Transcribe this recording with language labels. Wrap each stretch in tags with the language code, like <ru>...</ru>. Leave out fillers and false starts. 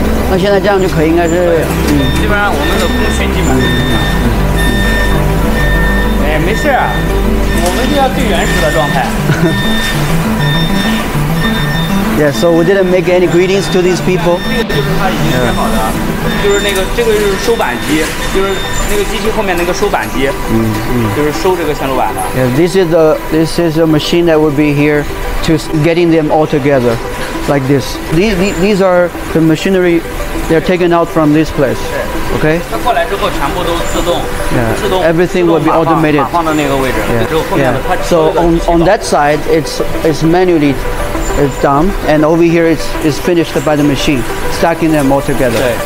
<zh>那现在这样就可以，应该是基本上我们的工群基本上没事，我们就要最原始的状态。</zh> <en>So we didn't make any greetings to these people.</en> <zh>这个就是它已经准备好的，就是那个这个就是收板机，就是那个机器后面那个收板机，就是收这个线路板的。</zh> <en>This is a machine that would be here to getting them all together. Like this. These are the machinery they're taken out from this place. Okay? Yeah. Everything will be automated. Yeah. Yeah. So on that side it's manually it's done, and over here it's finished by the machine, stacking them all together.</en>